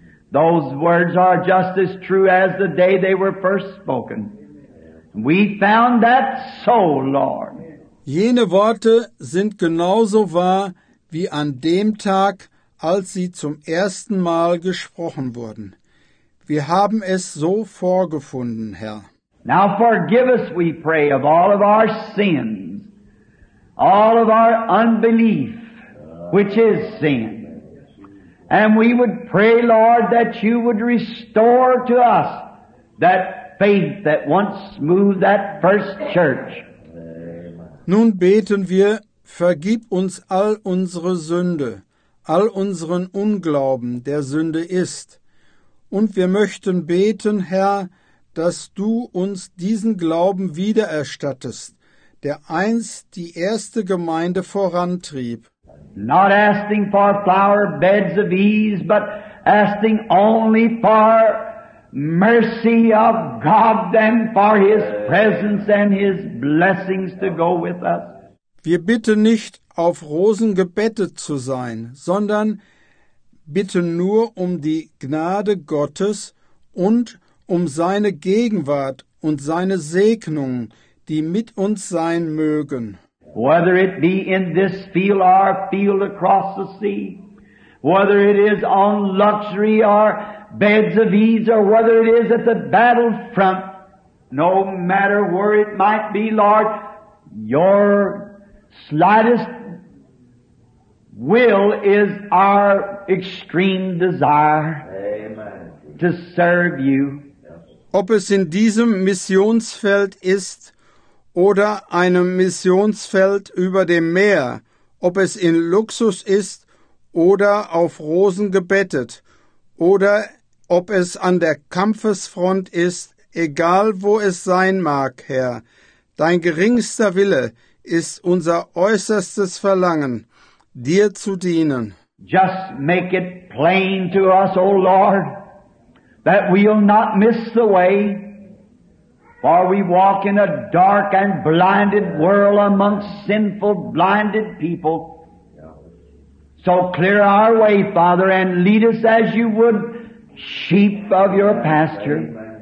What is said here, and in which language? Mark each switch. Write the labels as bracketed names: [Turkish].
[English] Those words are just as true as the day they were first spoken. We found that so, Lord. [German] Jene Worte sind genauso wahr wie an dem Tag, als sie zum ersten Mal gesprochen wurden. Wir haben es so vorgefunden, Herr. [English] Now forgive us, we pray, of all of our sins, all of our unbelief, which is sin. And we would pray, Lord, that you would restore to us that faith that once moved that first church. [German] Nun beten wir, vergib uns all unsere Sünde, all unseren Unglauben, der Sünde ist. Und wir möchten beten, Herr, dass du uns diesen Glauben wiedererstattest, der einst die erste Gemeinde vorantrieb. [English] Not asking for flower beds of ease, but asking only for mercy of God and for his presence and his blessings to go with us. [German] Wir bitten nicht, auf Rosen gebettet zu sein, sondern bitten nur um die Gnade Gottes und um seine Gegenwart und seine Segnung, die mit uns sein mögen. [English] Whether it be in this field or field across the sea, whether it is on luxury or beds of ease, or whether it is at the battle front, no matter where it might be, Lord, your slightest will is our extreme desire. Amen. To serve you. [German] Ob es in diesem Missionsfeld ist, oder einem Missionsfeld über dem Meer, ob es in Luxus ist oder auf Rosen gebettet, oder ob es an der Kampfesfront ist, egal wo es sein mag, Herr. Dein geringster Wille ist unser äußerstes Verlangen, dir zu dienen. [English] Just make it plain to us, O Lord, that we'll not miss the way. For we walk in a dark and blinded world amongst sinful, blinded people. So clear our way, Father, and lead us as you would sheep of your pasture.